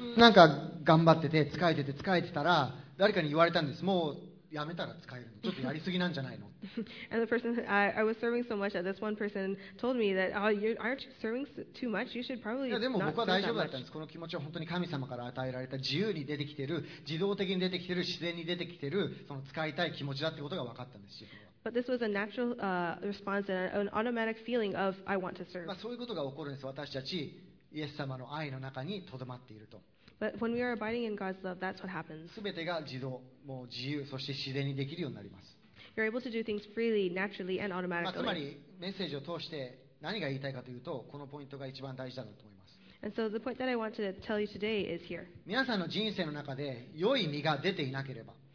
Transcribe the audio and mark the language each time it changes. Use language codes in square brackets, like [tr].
[ja] なんか頑張ってて使えてたら誰かに言われたんです。もうやめたら使えるの。ちょっとやりすぎなんじゃないの。 [en] And the person I was serving so much that this one person told me that oh you aren't serving too much. You should probably not serve that much. [ja] でも僕は大丈夫だったんです。この気持ちは本当に神様から与えられた自由に出てきてる自動的に出てきてる自然に出てきてるその使いたい気持ちだってことが分かったんですよ。 [en] But this was a natural response and an automatic feeling of I want to serve. [ja] まあそういうことが起こるんです。私たちイエス様の愛の中にとどまっていると。 [en] But when we are abiding in God's love, that's what happens. [ja] すべてが自動、もう自由、そして自然にできるようになります。 [en] You're able to do things freely, naturally, and automatically. [ja] まあつまりメッセージを通して何が言いたいかというと、このポイントが一番大事だと思います。 [en] And so the point that I want to tell you today is here. [ja] 皆さんの人生の中で良い実が出ていなければ。